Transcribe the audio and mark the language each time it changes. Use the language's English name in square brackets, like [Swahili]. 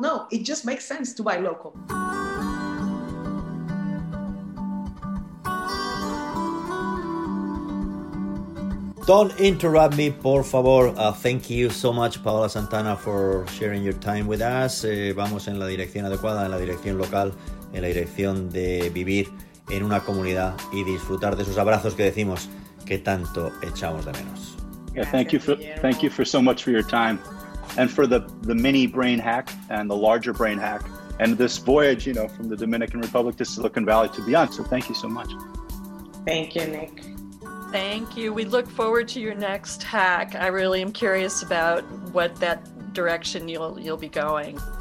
[English] No, it just makes sense to buy local. Don't interrupt me, [Spanish] por favor. [English] Thank you so much, Paola Santana, for sharing your time with us. [Spanish] Vamos en la dirección adecuada, en la dirección local, en la dirección de vivir en una comunidad y disfrutar de esos abrazos que decimos que tanto echamos de menos. [English] Yeah, thank you for so much for your time and for the mini brain hack and the larger brain hack and this voyage, you know, from the Dominican Republic to Silicon Valley to beyond. So thank you so much. Thank you, Nick. Thank you. We look forward to your next hack. I really am curious about what that direction you'll be going.